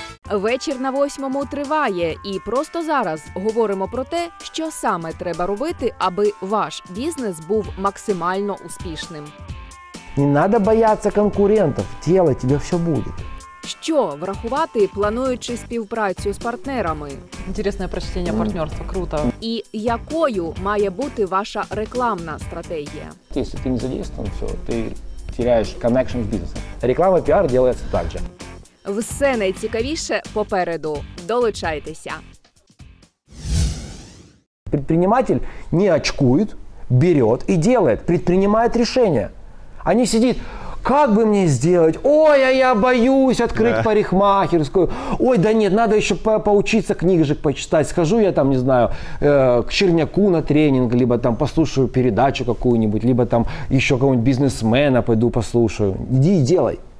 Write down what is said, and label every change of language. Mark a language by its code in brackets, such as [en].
[uk] Вечір на восьмому триває, і просто зараз говоримо про те, що саме треба робити, аби ваш бізнес був максимально успішним. Не треба боятися конкурентів, тіло тебе все буде. Що врахувати, плануючи співпрацю з партнерами? Інтересне прочтення партнерства, круто. І якою має бути ваша рекламна стратегія? Якщо ти не задіяний, все, ти втрачаєш connection з бізнесом. Реклама, піар робиться так же. Все найцікавіше попереду. Долучайтеся. [ru] Предприниматель не очкует, берет и делает, принимает решение. А не сидит, как бы мне сделать? Ой, а я боюсь открыть парикмахерскую. Ой, да нет, надо еще поучиться книжек почитать. Схожу я там, не знаю, к Черняку на тренинг, либо там послушаю передачу какую-нибудь, либо там еще кого-нибудь бизнесмена пойду послушаю. Иди и делай.